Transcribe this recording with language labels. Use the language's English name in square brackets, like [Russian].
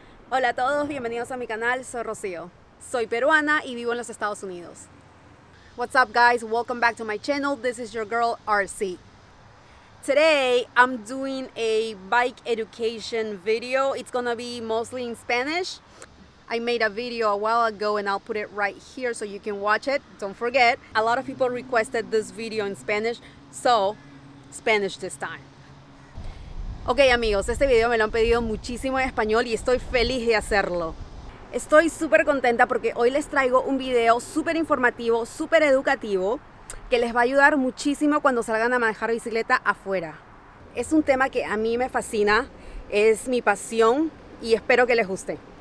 [Spanish] Hola a todos, bienvenidos a mi canal, soy Rocío. Soy peruana y vivo en los Estados Unidos. [English] What's up guys, welcome back to my channel, this is your girl RC. Today, I'm doing a bike education video. It's gonna be mostly in Spanish. I made a video a while ago and I'll put it right here so you can watch it. Don't forget, a lot of people requested this video in Spanish, so Spanish this time. [Spanish] Ok amigos, este video me lo han pedido muchísimo en español y estoy feliz de hacerlo. Estoy súper contenta porque hoy les traigo un video súper informativo, súper educativo, que les va a ayudar muchísimo cuando salgan a manejar bicicleta afuera. Es un tema que a mí me fascina, es mi pasión y espero que les guste.